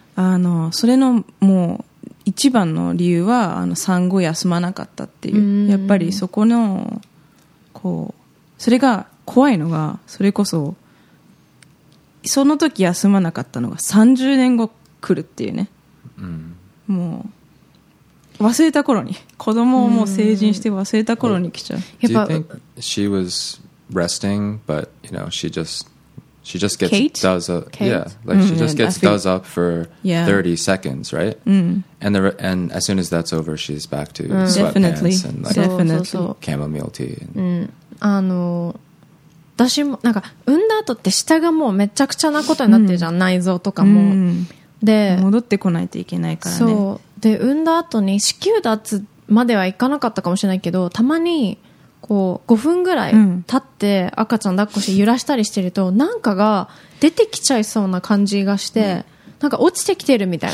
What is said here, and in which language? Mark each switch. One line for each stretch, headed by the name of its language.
Japanese: あのそれのもう一番の理由はあの産後休まなかったっていう、やっぱりそこのこうそれが怖いのがそれこそその時休まなかったのが30年後来るっていうね、もう忘れた頃に子供をもう成人して忘れた頃に来ちゃう。
English: Do you think she was resting, but you know she just gets does up, yeah, like she just gets does up for 30 seconds, right? And and as soon as that's over, she's back to sweatpants and like chamomile tea.
Japanese: あの私もなんか産んだ後って下がもうめちゃくちゃなことになってるじゃん、内臓とかも。で戻ってこないといけないからね。で産んだ後に子宮脱まではいかなかったかもしれないけど、たまにこう5分ぐらい経って赤ちゃん抱っこして揺らしたりしてると、なんかが出てきちゃいそうな感じがして、なんか落ちてきてるみたいな